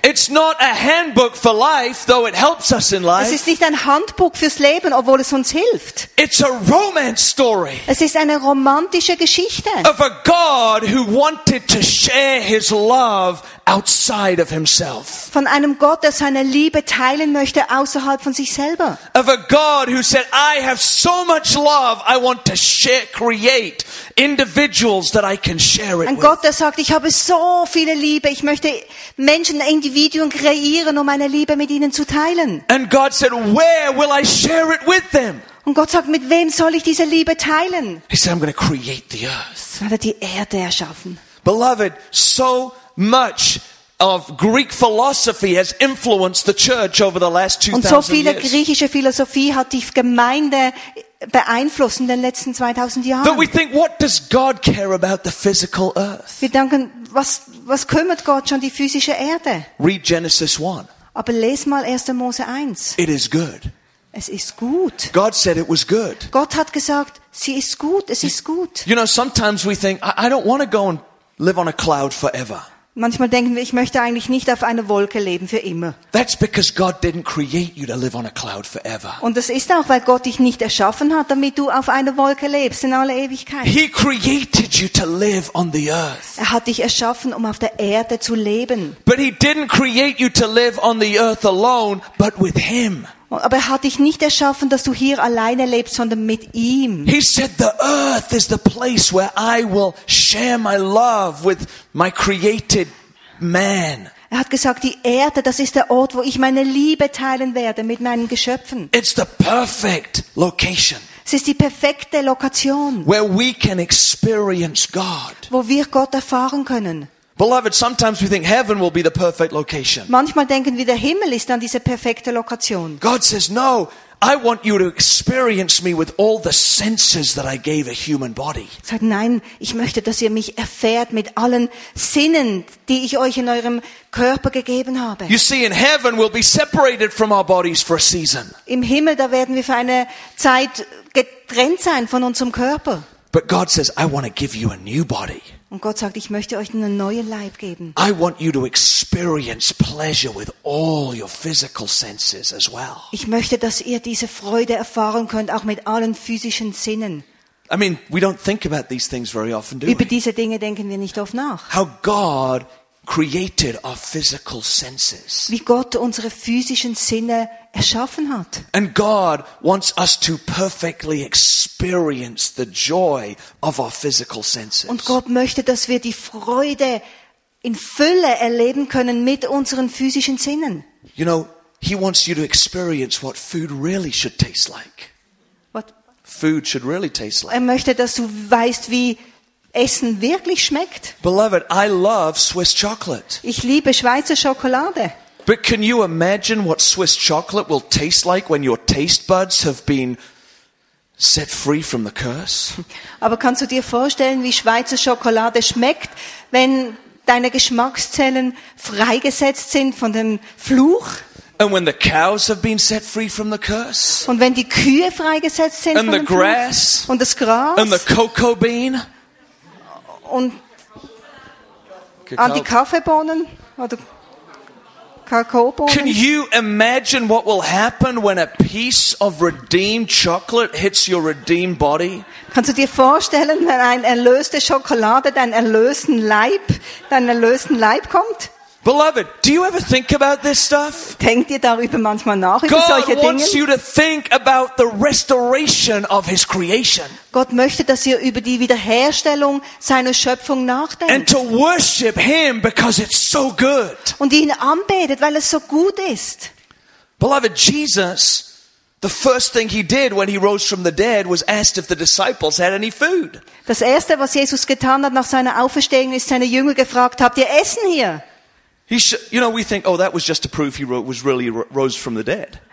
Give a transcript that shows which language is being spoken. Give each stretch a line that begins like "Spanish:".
English: It's not a handbook for life, though it helps us in life.
German: Es ist nicht ein Handbuch fürs Leben, obwohl es uns hilft.
English: It's a romance story.
German: Es ist eine romantische Geschichte.
English: Of a God who wanted to share his love outside of himself.
German: Von einem Gott, der seine Liebe teilen möchte außerhalb von sich selber.
English: Of a God who said, I have so much love, I want to share, create individuals that I can share it with.
German: Ein Gott, der sagt, ich habe so viel meine Liebe. Ich möchte Menschen, Individuen kreieren, um meine Liebe mit ihnen zu teilen.
English: And God said, where will I share it with them?
German: Und Gott sagt, mit wem soll ich diese Liebe teilen?
English: He said, I'm going to create the earth.
German: Hat er die Erde erschaffen.
English: Beloved, so much of Greek philosophy has influenced the church over the last 2000 years.
German: Und so viele griechische Philosophie hat die Gemeinde beeinflusst in den letzten 2000 Jahren.
English: But we think, what does God care about the physical earth?
German: Wir denken, was kümmert Gott schon die physische Erde?
English: Read Genesis 1.
German: Aber les mal 1. Mose 1.
English: It is good.
German: Es ist gut.
English: God said it was good.
German: Gott hat gesagt, sie ist gut, es ist gut.
English: You know, sometimes we think, I don't want to go and live on a cloud forever.
German: Manchmal denken wir, ich möchte eigentlich nicht auf einer Wolke leben für immer.
English: That's because God didn't create you to live on a cloud forever.
German: Und das ist auch, weil Gott dich nicht erschaffen hat, damit du auf einer Wolke lebst in alle Ewigkeit.
English: He created you to live on the earth.
German: Er hat dich erschaffen, um auf der Erde zu leben.
English: But he didn't create you to live on the earth alone, but with him.
German: Aber er hat dich nicht erschaffen, dass du hier alleine lebst, sondern mit ihm.
English: He said, the earth is the place where I will share my love with my created man.
German: Er hat gesagt, die Erde, das ist der Ort, wo ich meine Liebe teilen werde mit meinen Geschöpfen.
English: It's the perfect location.
German: Es ist die perfekte Lokation.
English: Where we can experience God.
German: Wo wir Gott erfahren können.
English: Beloved, sometimes we think heaven will be the perfect location.
German: Manchmal denken wir, der Himmel ist dann diese perfekte Lokation.
English: God says, no, I want you to experience me with all the senses that I gave a human body.
German: Sagt, nein, ich möchte, dass ihr mich erfährt mit allen Sinnen, die ich euch in eurem Körper gegeben habe.
English: You see, in heaven we'll be separated from our bodies for a season.
German: Im Himmel, da werden wir für eine Zeit getrennt sein von unserem Körper.
English: But God says, I want to give you a new body.
German: Und Gott sagt, ich möchte euch einen neuen Leib geben.
English: I want you to experience pleasure with all your physical senses as well.
German: Ich möchte, dass ihr diese Freude erfahren könnt, auch mit allen physischen Sinnen.
English: I mean, we don't think about these things very often, do we?
German: Über diese Dinge denken wir nicht oft nach.
English: How God created our physical senses.
German: Wie Gott unsere physischen Sinne erschaffen hat.
English: And God wants us to perfectly experience the joy of our physical senses.
German: Und Gott möchte, dass wir die Freude in Fülle erleben können mit unseren physischen Sinnen.
English: You know, he wants you to experience what food really should taste like. What food should really taste like.
German: Er möchte, dass du weißt, wie Essen wirklich schmeckt.
English: Beloved, I love Swiss chocolate.
German: Ich liebe Schweizer Schokolade.
English: But can you imagine what Swiss chocolate will taste like when your taste buds have been set free from the curse?
German: Aber kannst du dir vorstellen, wie Schweizer Schokolade schmeckt, wenn deine Geschmackszellen freigesetzt sind von dem Fluch?
English: And when the cows have been set free from the curse?
German: Und wenn die Kühe freigesetzt sind
English: and
German: von dem
English: grass,
German: Fluch? Und das Gras?
English: And the cocoa bean?
German: Und an die Kaffeebohnen oder Kakaobohnen.
English: Can you imagine what will happen when a piece of redeemed chocolate hits your redeemed body?
German: Kannst du dir vorstellen, wenn ein erlöste Schokolade deinen erlösten Leib kommt?
English: Beloved, do you ever think about this stuff?
German: Denkt ihr darüber manchmal nach, über
English: God
German: solche Dinge?
English: Wants you to think about the restoration of his creation.
German: Gott möchte, dass ihr über die Wiederherstellung seiner Schöpfung nachdenkt.
English: And to worship him because it's so good.
German: Und ihn anbetet, weil es so gut ist.
English: Beloved, Jesus, the first thing he did when he rose from the dead was asked if the disciples had any food.
German: Das erste, was Jesus getan hat nach seiner Auferstehung, ist seine Jünger gefragt, habt ihr Essen hier?
English: You know, we think, oh, that was just to prove he was really rose from the dead.